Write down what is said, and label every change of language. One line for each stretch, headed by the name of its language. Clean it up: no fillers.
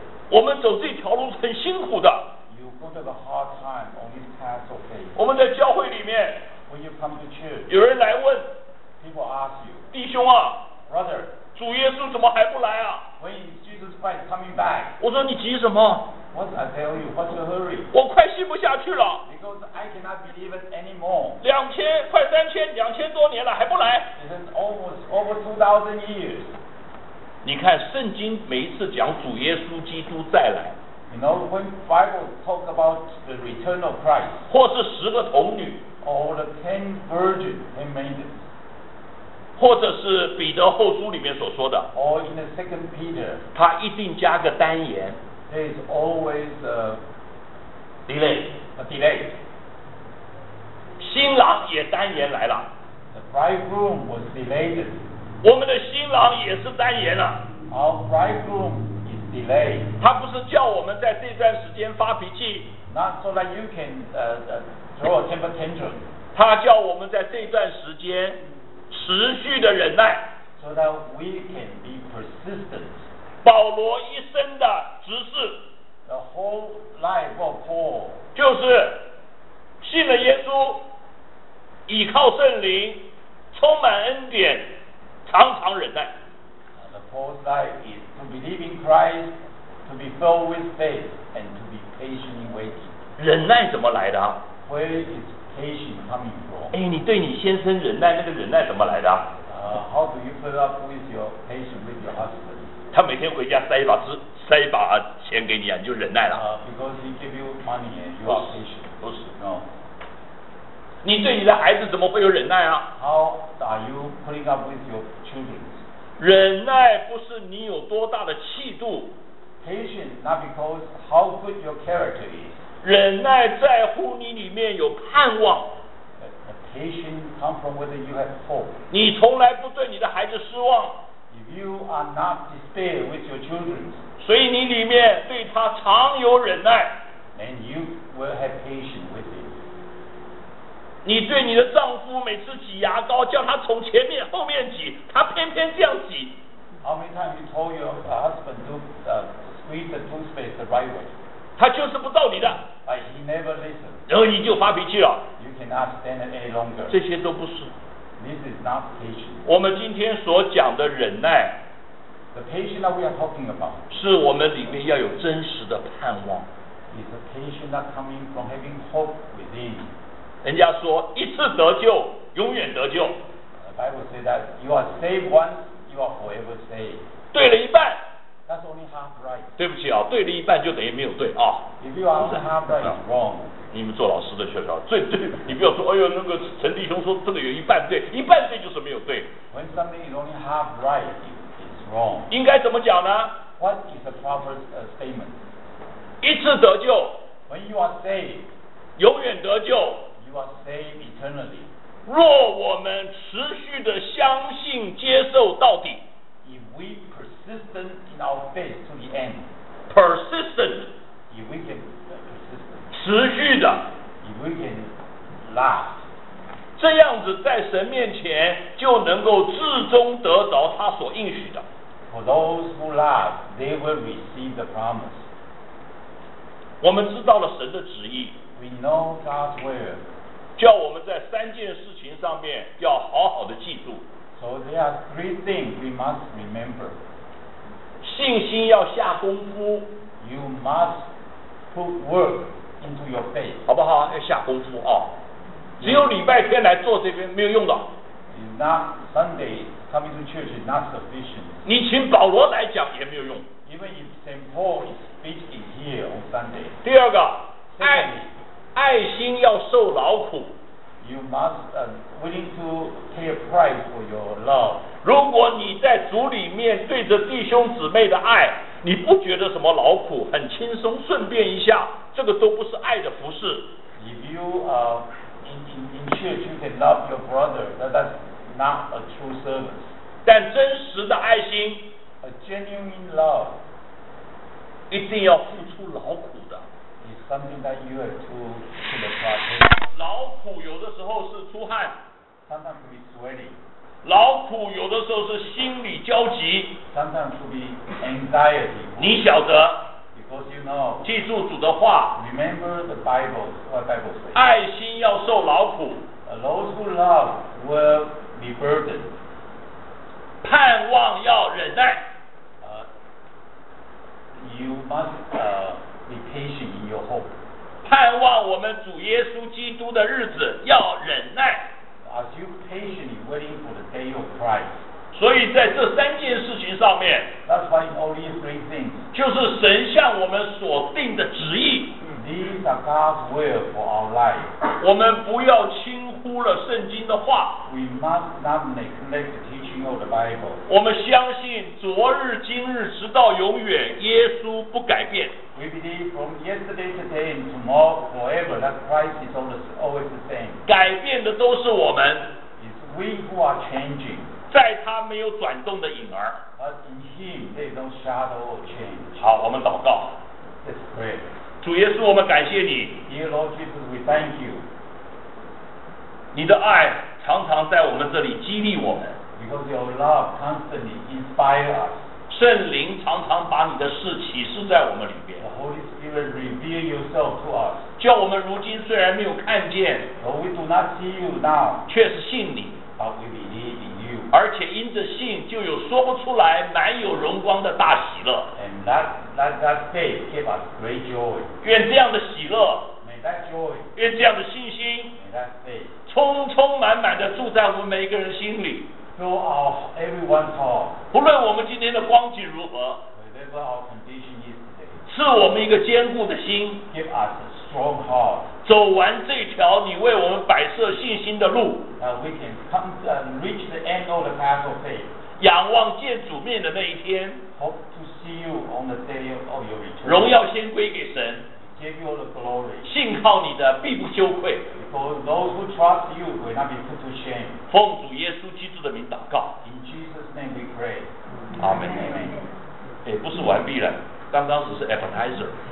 Chinese: 我们走这条路很辛苦的。
English: You go to the hard time on this path of faith.
Chinese: 我们在教会里面，
English: When you come to church,
Chinese: 有人来问，
English: People ask you,
Chinese: 弟兄啊，
English: Brother,
Chinese: 主耶稣怎么还不来啊？
English: When is Jesus Christ coming back?
Chinese: 我说你急什么？
English: What I tell you, what's your hurry?
Chinese: 我快信不下去了。
English: Because I cannot believe it anymore.
Chinese: 2000+3000+2000多年了，还不来。
English: It is almost over 2000 years.
Chinese: 你看圣经每一次讲主耶稣基督再来。
English: You know when Bible talk about the return of Christ.
Chinese: 或是十个童女。
English: Or the 10 virgins, 10 maidens.
Chinese: 或者是彼得后书里面所说的。
English: Or in the 2 Peter.
Chinese: 他一定加个单言。
English: There is always a delay.
Chinese: 新郎也单言来了。
English: The bridegroom was delayed.
Chinese: 我们的新郎也是单言了。
English: Our bridegroom is delayed.
Chinese: 他不是叫我们在这段时间发脾气。
English: Not so that you can throw a temper tantrum.
Chinese: 他叫我们在这段时间持续的忍耐。
English: So that we can be persistent.
Chinese: 保罗一生的执事，
English: The whole life of Paul，
Chinese: 就是信了耶稣，倚靠圣灵，充满恩典，常常忍耐。
English: The Paul's life is to believe in Christ, to be filled with faith, and to be patiently waiting.
Chinese: 忍耐怎么来的？
English: Where is patience coming from?
Chinese: 哎，你对你先生忍耐，那个忍耐怎么来的？
English: How do you fill up with your patience with your husband?
Chinese: 他每天回家塞一把纸，塞一把钱给你啊，你就忍耐了。
English: Because he give you money and you are patient.
Chinese: 不是。
English: No.
Chinese: 你对你的孩子怎么会有忍耐啊？
English: How are you putting up with your children?
Chinese: 忍耐不是你有多大的气度。
English: Patient not because how good your character is.
Chinese: 忍耐在乎你里面有盼望。
English: A patient comes from whether you have hope.
Chinese: 你从来不对你的孩子失望。
English: You are not despair with your children.
Chinese: 所以你里面对他常有忍耐。
English: And you will have patience with him.
Chinese: 你对你的丈夫每次挤牙膏，叫他从前面后面挤，他偏偏这样挤。
English: How many times you told your husband to squeeze the toothpaste the right way?
Chinese: 他就是不照你的。
English: But he never listens.
Chinese: 然后你就发脾气了。
English: You cannot stand it any longer.
Chinese: 这些都不是。
English: This is not patient.
Chinese: 我们今天所讲的忍耐
English: ，the patient that we are talking about，
Chinese: 是我们里面要有真实的盼望。
English: Is the patient that coming from having hope within？
Chinese: 人家说一次得救，永远得救。
English: The Bible says that you are saved once, you are forever saved.
Chinese: 对了一半
English: ，That's only half right.
Chinese: 对不起啊，对了一半就等于没有对啊。
English: If you are only half right, it's wrong.
Chinese: 你们做老师的学校最对，你不要说哎呦那个陈弟兄说这个有一半对，一半对就是没有对。
English: When something is only half right, it's wrong.
Chinese: 应该怎么讲呢？
English: What is the proper statement?
Chinese: 一次得救。
English: When you are saved,
Chinese: 永远得救。
English: You are saved eternally.
Chinese: 若我们持续的相信接受到底。
English: If we persistent in our faith to the end. Persistent. If we can.
Chinese: 持续的
English: ，if we can last，
Chinese: 这样子在神面前就能够至终得着他所应许的。
English: For those who last, they will receive the promise.
Chinese: 我们知道了神的旨意
English: ，we know God's will，
Chinese: 叫我们在三件事情上面要好好的记住。
English: So there are three things we must remember.
Chinese: 信心要下功夫
English: ，you must put work. Into your faith.
Chinese: 好不好？要下功夫啊！只有礼拜天来做这边没有用的。
English: It's not Sunday coming to church is not sufficient.
Chinese: 你请保罗来讲也没有用。
English: Even if Saint Paul is speaking here on Sunday.
Chinese: 第二个，爱心要受劳苦。
English: You must willing to pay a price for your love.
Chinese: 如果你在主里面对着弟兄姊妹的爱，你不觉得什么劳苦，很轻松，顺便一下。这个都不是爱的服侍。
English: If you in church you can love your brother, that's not a true service.
Chinese: 但真实的爱心
English: ，a genuine love，
Chinese: 一定要付出劳苦的。
English: It's something that you have to put the effort.
Chinese: 劳苦有的时候是出汗
English: ，sometimes be sweaty.
Chinese: 劳苦有的时候是心里焦急
English: ，sometimes be anxiety.
Chinese: 你晓得。
English: Because you know,
Chinese: 记住主的话
English: Remember the Bible, what Bible says.
Chinese: 爱心要受劳苦
English: Those who love will be burdened
Chinese: 盼望要忍耐
English: You must be patient in your hope
Chinese: 盼望我们主耶稣基督的日子要忍耐
English: Are you patiently waiting for the day of Christ?
Chinese: 所以在这三件事情上面
English: That's why it's only three things.
Chinese: 就是神向我们所定的旨意
English: These are God's will for our life.
Chinese: 我们不要轻忽了圣经的话
English: We must not neglect the teaching of the Bible.
Chinese: 我们相信昨日今日直到永远耶稣不改变
English: We believe from yesterday, today and tomorrow forever that Christ is always the same.
Chinese: 改变的都是我们
English: It's we who are changing.
Chinese: 在他没有转动的影儿。
English: But in him, there's no shadow of change.
Chinese: 好，我们祷告。
English: Let's pray.
Chinese: 主耶稣，我们感谢你。
English: Dear Lord Jesus, we thank you.
Chinese: 你的爱常常在我们这里激励我们。
English: Because your love constantly inspires us.
Chinese: 圣灵常常把你的事启示在我们里边。
English: The Holy Spirit reveals yourself to us.
Chinese: 叫我们如今虽然没有看见
English: ，But we do not see you now.
Chinese: 却是信你。
English: But we believe in you.
Chinese: 而且因着信就有说不出来满有荣光的大喜乐
English: And that faith gave us great joy
Chinese: 愿这样的喜乐
English: May that joy
Chinese: 愿这样的信心
English: May that faith
Chinese: 充充满满的住在我们每一个人心里
English: through our everyone's heart.
Chinese: 不论我们今天的光景如何，
English: whatever our condition is today,
Chinese: 赐我们一个坚固的心，
English: give us a strong heart,
Chinese: 走完这条你为我们摆设信心的路，
English: we can come to, reach the end of the path of faith.
Chinese: 仰望见主面的那一天，
English: Hope to see you on the day of your return.
Chinese: 荣耀先归给神，
English: Give you the glory.
Chinese: 信靠你的必不羞愧，
English: For those who trust you will not be put to shame.
Chinese: 奉主耶稣基督的名祷告，
English: In Jesus' name we pray. Amen.
Chinese: 哎，不是完毕了，刚刚只是 appetizer.